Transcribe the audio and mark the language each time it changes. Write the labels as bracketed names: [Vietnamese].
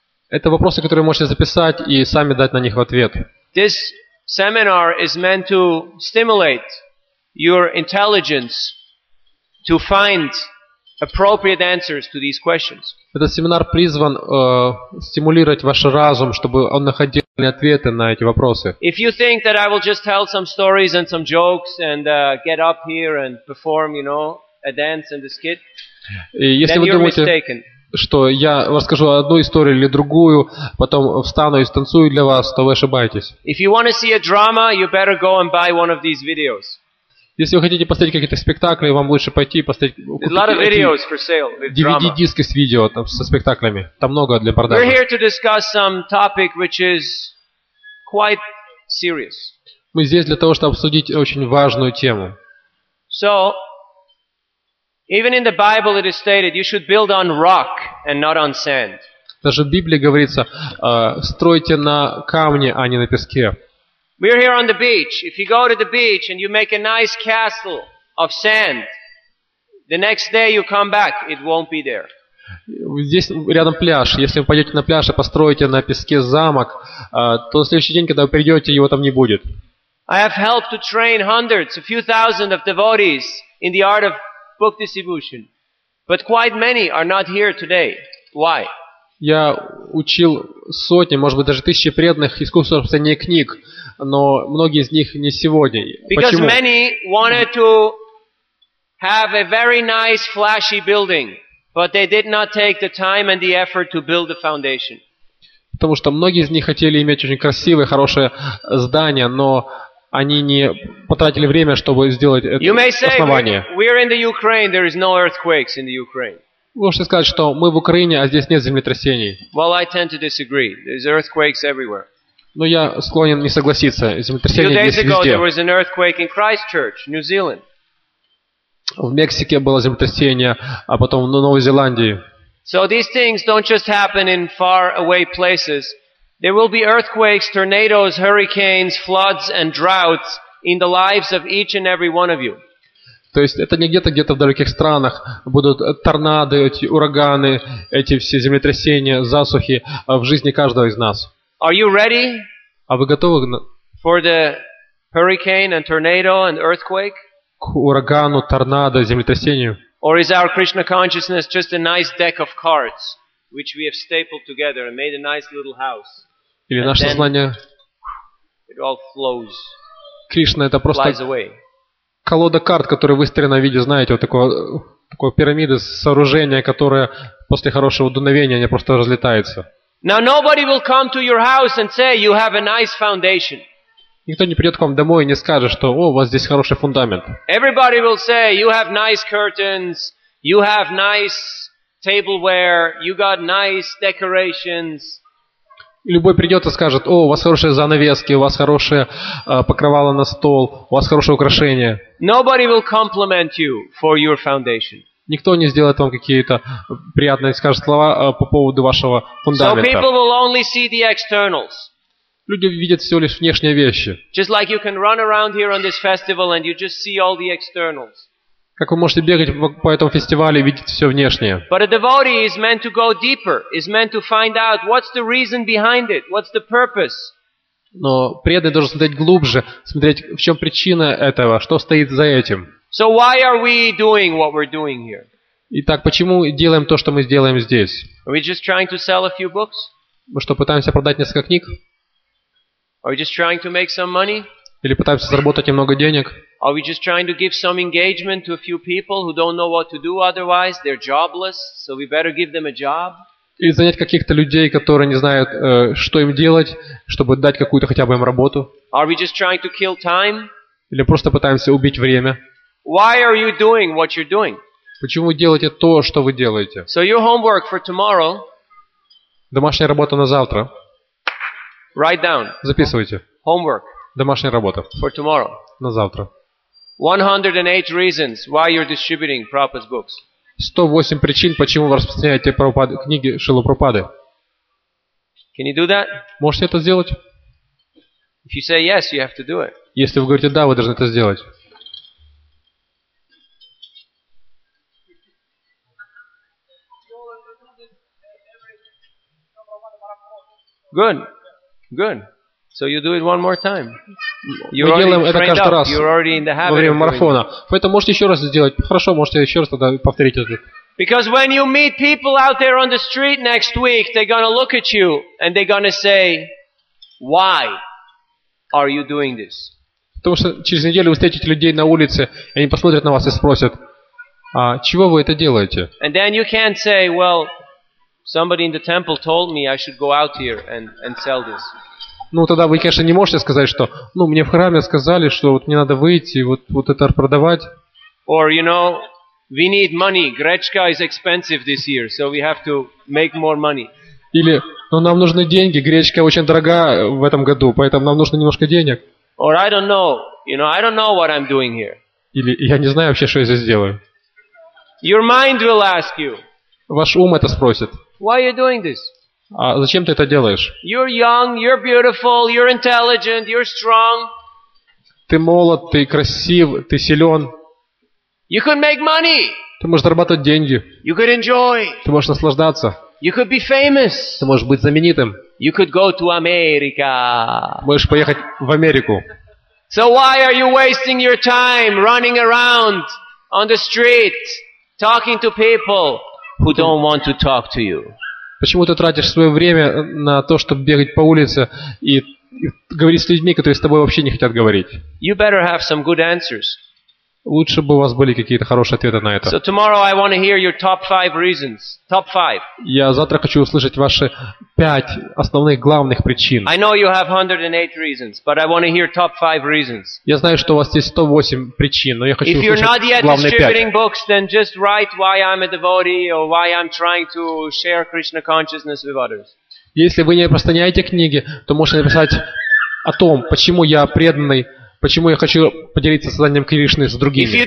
[Russian] Это вопросы, которые можете записать и сами дать на них ответ. [English] This seminar is meant to stimulate your intelligence to find appropriate answers to these questions. [Russian] Этот семинар призван стимулировать ваш разум, чтобы он находил ответы на эти вопросы. [English] If you think that I will just tell some stories and some jokes and get up here and perform, you know, a dance and a skit, then you're mistaken. [Russian] Если вы думаете, что я расскажу одну историю или другую, потом встану и станцую для вас, то вы ошибаетесь. [English] If you want to see a drama, you better go and buy one of these videos. [Russian] Если вы хотите посмотреть какие-то спектакли, вам лучше пойти и посмотреть DVD-диски с видео там, со спектаклями. Там много для продажи. [English] We're here to discuss some topic which is quite serious. [Russian] Мы здесь для того, чтобы обсудить очень важную тему. [English] So, even in the Bible it is stated you should build on rock and not on sand. [Russian] Даже в Библии говорится, стройте на камне, а не на песке. [English] We are here on the beach. If you go to the beach and you make a nice castle of sand, the next day you come back, it won't be there. [Russian] Здесь рядом пляж. Если вы пойдете на пляж и построите на песке замок, то на следующий день, когда вы придете, его там не будет. [English] I have helped to train hundreds, a few thousand of devotees in the art of book distribution. But quite many are not here today. Why? [Russian] Я учил сотни, может быть, даже тысячи преданных искусству написания книг, но многие из них не сегодня. [English] Because [Russian] Почему? [English] Many wanted to have a very nice, flashy building, but they did not take the time and the effort to build the foundation. [Russian] Потому что многие из них хотели иметь очень красивое, хорошее здание, но они не потратили время, чтобы сделать это основание. [English] We are in the Ukraine, there is no earthquakes in the Ukraine. [Russian] Вы можете сказать, что мы в Украине, а здесь нет землетрясений. [English] Well, I tend to disagree. There's earthquakes everywhere. [Russian] Но я склонен не согласиться. Землетрясения здесь везде. [English] A few days ago, there was an earthquake in Christchurch, New Zealand. [Russian] В Мексике было землетрясение, а потом в Новой Зеландии. [English] So these things don't just happen in far away places. There will be earthquakes, tornadoes, hurricanes, floods and droughts in the lives of each and every one of you. [Russian] То есть это не где-то в далеких странах будут торнадо, эти ураганы, эти все землетрясения, засухи в жизни каждого из нас. [English] Are you ready? [Russian] А вы готовы [English] for the hurricane and tornado and earthquake? [Russian] К урагану, торнадо, землетрясению? [English] Or is our Krishna consciousness just a nice deck of cards which we have stapled together and made a nice little house? [Russian] Или наше сознание? [English] It all flows. [Russian] Кришна это просто [English] flies away. [Russian] Колода карт, которая выстроена в виде, знаете, вот такой пирамиды, сооружения, которое после хорошего дуновения просто разлетается. [English] Now nobody will come to your house and say you have a nice foundation. [Russian] Никто не придет к вам домой и не скажет, что о, у вас здесь хороший фундамент. [English] Everybody will say you have nice curtains, you have nice tableware, you got nice decorations. [Russian] Любой придет и скажет, о, у вас хорошие занавески, у вас хорошее покрывало на стол, у вас хорошее украшение. [English] Nobody will compliment you for your foundation. [Russian] Никто не сделает вам какие-то приятные скажет слова по поводу вашего фундамента. [English] So people will only see the externals. [Russian] Люди видят всего лишь внешние вещи. [English] Just like you can run around here on this festival and you just see all the externals. [Russian] Как вы можете бегать по этому фестивалю и видеть все внешнее? [English] But a devotee is meant to go deeper, is meant to find out what's the reason behind it, what's the purpose. [Russian] Но преданный должен смотреть глубже, смотреть, в чем причина этого, что стоит за этим. [English] So why are we doing what we're doing here? [Russian] Итак, почему делаем то, что мы делаем здесь? [English] Are we just trying to sell a few books? [Russian] Мы что, пытаемся продать несколько книг? [English] Are we just trying to make some money? [Russian] Или пытаемся заработать немного денег? [English] Are we just trying to give some engagement to a few people who don't know what to do otherwise? They're jobless, so we better give them a job. [Russian] Или занять каких-то людей, которые не знают, что им делать, чтобы дать какую-то хотя бы им работу? [English] Are we just trying to kill time? [Russian] Или просто пытаемся убить время? [English] Why are you doing what you're doing? [Russian] Почему вы делаете то, что вы делаете? [English] So your homework for tomorrow. [Russian] Домашняя работа на завтра. [English] Write down. [Russian] Записывайте. [English] Homework. [Russian] Домашняя работа. [English] For tomorrow. [Russian] На завтра. [English] 108 reasons why you're distributing Prabhupada's books. [Russian] 108 причин, почему вы распространяете Прабхупады, книги Шрилы Прабхупады. [English] Can you do that? [Russian] Можете это сделать? [English] If you say yes, you have to do it. [Russian] Если вы говорите да, вы должны это сделать. [English] Good. Good. So you do it one more time. You're [Russian] Мы делаем это каждый [English] up. [Russian] Раз [English] You're already in the habit [Russian] во время марафона. Поэтому можете еще раз сделать. Хорошо, можете еще раз тогда повторить это. [English] Because when you meet people out there on the street next week, they're gonna look at you and they're gonna say, why are you doing this? [Russian] Потому что через неделю вы встретите людей на улице, и они посмотрят на вас и спросят, а чего вы это делаете? [English] And then you can't say, well, somebody in the temple told me I should go out here and sell this. [Russian] Ну тогда вы, конечно, не можете сказать, что, ну мне в храме сказали, что вот мне надо выйти и вот это продавать. [English] Or you know, we need money. Гречка is expensive this year, so we have to make more money. [Russian] Или, ну нам нужны деньги. Гречка очень дорога в этом году, поэтому нам нужно немножко денег. [English] Or I don't know. You know, I don't know what I'm doing here. [Russian] Или я не знаю вообще, что я здесь делаю. [English] Your mind will ask you. [Russian] Ваш ум это спросит. [English] Why are you doing this? [Russian] А зачем ты это делаешь? [English] You're young, you're beautiful, you're intelligent, you're strong. [Russian] Ты молод, ты красив, ты силен. [English] You could make money. [Russian] Ты можешь зарабатывать деньги. [English] You could enjoy. [Russian] Ты можешь наслаждаться. [English] You could be famous. [Russian] Ты можешь быть знаменитым. [English] You could go to America. [Russian] Можешь поехать в Америку. [English] So why are you wasting your time running around on the street talking to people who don't want to talk to you? [Russian] Почему ты тратишь свое время на то, чтобы бегать по улице и говорить с людьми, которые с тобой вообще не хотят говорить? [English] You better have some good answers. [Russian] Лучше бы у вас были какие-то хорошие ответы на это. [English] So tomorrow I want to hear your top five reasons. Top five. [Russian] Я завтра хочу услышать ваши 5 основных главных причин. [English] I know you have 108 reasons, but I want to hear top five reasons. [Russian] Я знаю, что у вас есть 108 причин, но я хочу [English] if [Russian] услышать главные 5. [English] If you're not yet distributing books, then just write why I'm a devotee or why I'm trying to share Krishna consciousness with others. [Russian] Если вы не распространяете книги, то можете написать о том, почему я преданный. Почему я хочу поделиться сознанием Кришны с другими?